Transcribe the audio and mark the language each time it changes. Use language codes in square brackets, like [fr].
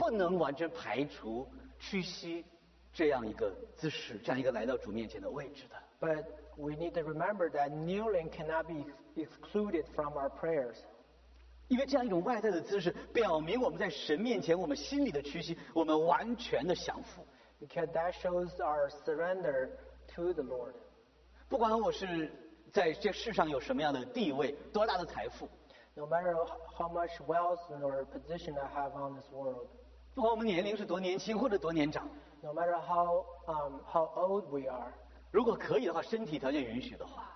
[zh] 但是，我们要知道，基督徒的祷告是不能完全排除屈膝。这样一个姿势，这样一个来到主面前的位置的。 [en] But we need to remember that kneeling cannot be excluded from our prayers. [zh] 因为这样一种外在的姿势，表明我们在神面前，我们心里的屈膝，我们完全的降服。 [en] Because that shows our surrender to the Lord. [zh] 不管我是在这世上有什么样的地位，多大的财富。 [en] No matter how much wealth or position I have on this world. [zh] 不管我们年龄是多年轻或者多年长。 [en] No matter how old we are, [zh] 如果可以的话，身体条件允许的话，